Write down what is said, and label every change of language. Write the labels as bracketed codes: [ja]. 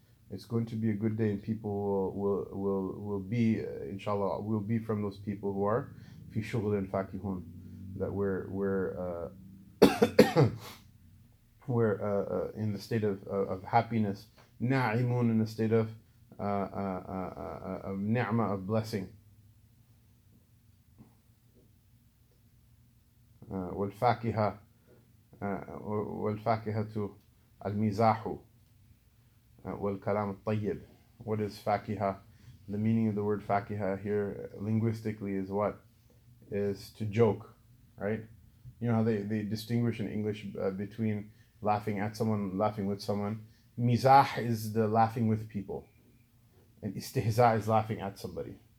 [en] It's going to be a good day, and people will be, inshallah, will be from those people who are [ar] fi shughlin fakihun, [en] that we're in the state of happiness, na'imun, in the state of ni'mah, of blessing. [ar] والفاكهة المزاح والكلام الطيب. [en] What is فاكهة? The meaning of the word فاكهة here linguistically is what? Is to joke, right? You know how they distinguish in English between laughing at someone, laughing with someone. مزاح is the laughing with people. And استهزاء is laughing at somebody.